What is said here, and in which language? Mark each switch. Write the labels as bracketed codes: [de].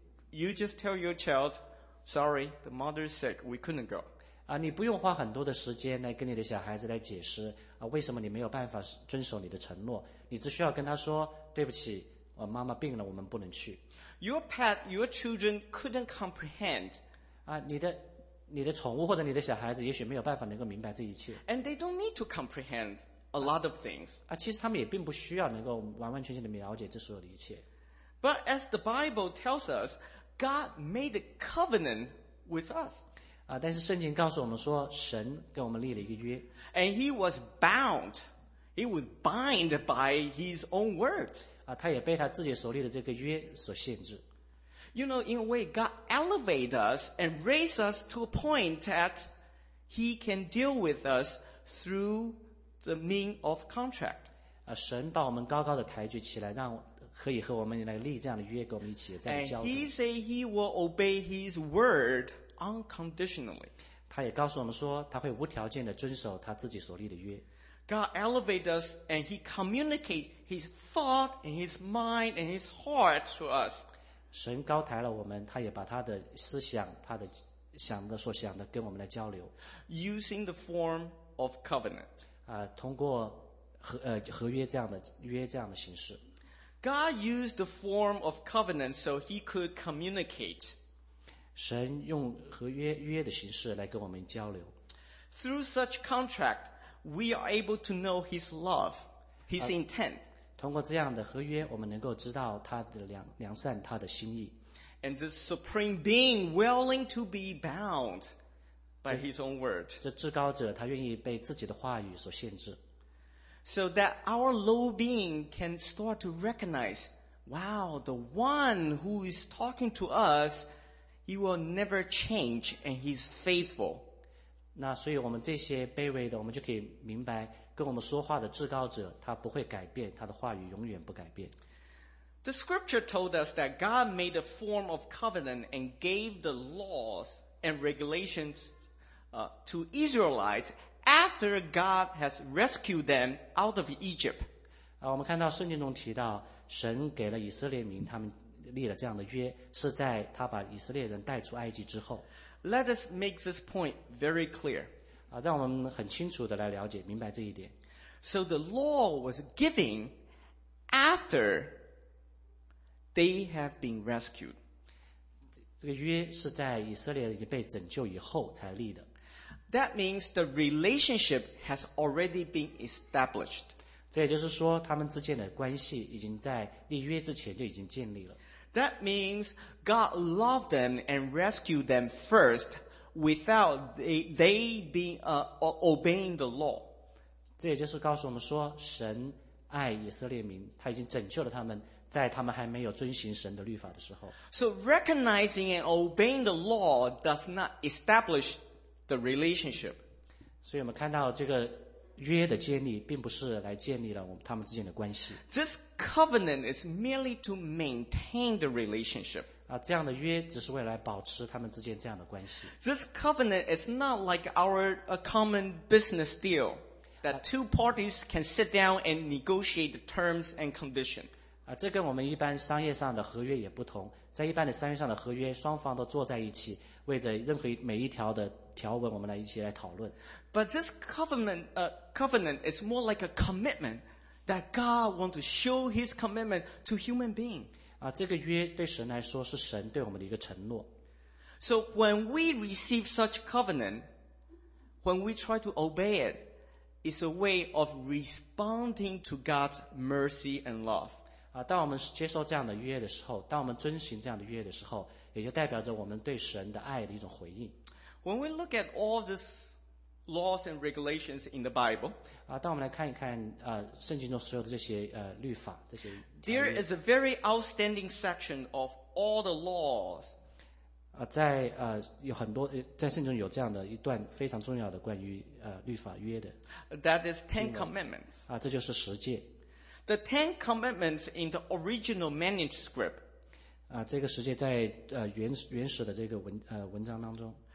[en] You just tell your child, sorry, the mother is sick, we couldn't go. [zh] 啊，你不用花很多的时间来跟你的小孩子来解释啊，为什么你没有办法遵守你的承诺？你只需要跟他说，对不起，我妈妈病了，我们不能去。 [en] Your pet, your children couldn't comprehend. [zh] 啊，你的宠物或者你的小孩子也许没有办法能够明白这一切。 [en] And they don't need to comprehend a lot of things. [zh] 啊，其实他们也并不需要能够完完全全的了解这所有的一切。 [en] But as the Bible tells us, God made a covenant with us. [zh] 啊，但是圣经告诉我们说，神跟我们立了一个约。 [en] And he was bound. He was bound by his own words. [zh] 啊，他也被他自己所立的这个约所限制。 [en] You know, in a way, God elevated us and raised us to a point that He can deal with us through the means of contract. [zh] 啊，神把我们高高的抬举起来，让可以和我们来立这样的约，跟我们一起在交通。 [en] And he say he will obey his word unconditionally. [zh] 他也告诉我们说，他会无条件的遵守他自己所立的约。 [en] God elevates us and he communicates his thought and his mind and his heart to us. [zh] 神高抬了我们，他也把他的思想，他的想的所想的跟我们来交流。 [en] Using the form of covenant. [zh] 通过合约这样的约这样的形式。 [en] God used the form of covenant so he could communicate. [zh] 神用合约约的形式来跟我们交流。 [en] Through such contract,We are able to know his love, his intent. [zh] 通过这样的合约，我们能够知道他的良善，他的心意。 [en] And this supreme being willing to be bound by his own word. [zh] 这至高者，他愿意被自己的话语所限制。 [en] So that our low being can start to recognize, wow, the one who is talking to us, he will never change and he's faithful. [zh] 那所以我们这些卑微的我们就可以明白跟我们说话的至高者他不会改变他的话语永远不改变 [en] The scripture told us that God made a form of covenant and gave the laws and regulations to Israelites after God has rescued them out of Egypt [zh] 我们看到圣经中提到神给了以色列民他们立了这样的约是在他把以色列人带出埃及之后 [en] Let us make this point very clear. [zh] 让我们很清楚地来了解明白这一点。 [en] So the law was given after they have been rescued. [zh] 这个约是在以色列已经被拯救以后才立的。 [en] That means the relationship has already been established. [zh] 这也就是说他们之间的关系已经在立约之前就已经建立了。 [en] That means God loved them and rescued them first without they being obeying the law. [zh] 这也就是告诉我们说神爱以色列民他已经拯救了他们在他们还没有遵行神的律法的时候。 [en] So recognizing and obeying the law does not establish the relationship. [zh] 所以我们看到这个约的建立并不是来建立了他们之间的关系。 [en] This covenant is merely to maintain the relationship. [zh] 这样的约只是为了保持他们之间这样的关系。 [en] This covenant is not like our common business deal that two parties can sit down and negotiate the terms and conditions. [zh] 这跟我们一般商业上的合约也不同。在一般的商业上的合约双方都坐在一起为着任何每一条的条文我们来一起来讨论。 [en] But this covenant, covenant is more like a commitment that God wants to show his commitment to human being. [zh] 这个约对神来说是神对我们的一个承诺。 [en] So when we receive such covenant, when we try to obey it, it's a way of responding to God's mercy and love. [zh] 当我们接受这样的约的时候，当我们遵循这样的约的时候，也就代表着我们对神的爱的一种回应。 [en] When we look at all this laws and regulations in the Bible, [zh] 当我们来看一看圣经中所有的这些律法这些条约。 [en] There is a very outstanding section of all the laws. [zh] 在有很多在圣经中有这样的一段非常重要的关于律法约的。 [en] That is Ten Commandments. [zh] 这就是十诫。 [en] The Ten Commandments in the original manuscript. [zh] 这个十诫在原始的这个文章当中。